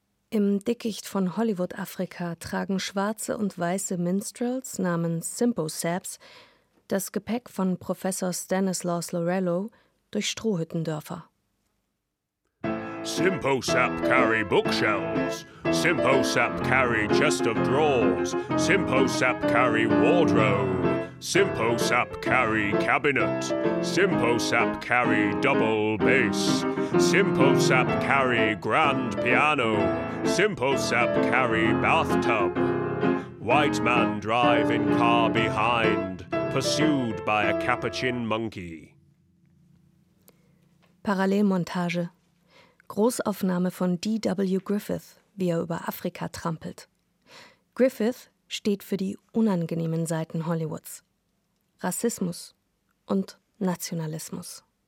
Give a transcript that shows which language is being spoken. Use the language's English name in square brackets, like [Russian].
[German] Im Dickicht von Hollywood, Afrika, tragen schwarze und weiße Minstrels namens Simpo Saps das Gepäck von Professor Stanislaus Lorello durch Strohhüttendörfer. [English] Simpo Sap carry bookshelves. Simpo Sap carry chest of drawers. Simpo Sap carry wardrobe. Simpo Sap carry cabinet. Simpo Sap carry double bass. Simpo Sap carry grand piano. Simpo Sap carry bathtub. White man drive in car behind, pursued by a capuchin monkey. [German] Parallelmontage. Großaufnahme von D.W. Griffith, wie er über Afrika trampelt. Griffith steht für die unangenehmen Seiten Hollywoods. Rassismus und Nationalismus.